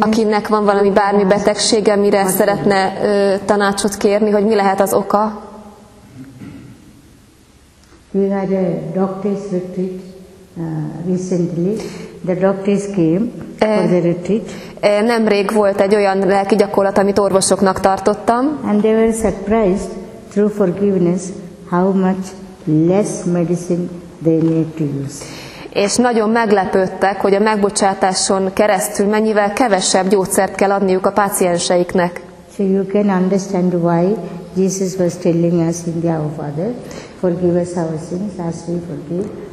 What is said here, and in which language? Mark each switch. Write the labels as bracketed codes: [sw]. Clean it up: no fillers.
[hu] Akinek van valami bármi betegsége, mire okay. Szeretne tanácsot kérni, hogy mi lehet az oka? [en] We had a doctor's retreat recently. The doctors came for the retreat. [hu] Nemrég volt egy olyan lelki gyakorlat, amit orvosoknak tartottam. [en] And they were surprised through forgiveness how much less medicine they need to use. [hu] És nagyon meglepődtek, hogy a megbocsátáson keresztül mennyivel kevesebb gyógyszert kell adniuk a pácienseiknek. [en] So you can understand why Jesus was telling us in the Our Father, forgive us our sins as we forgive.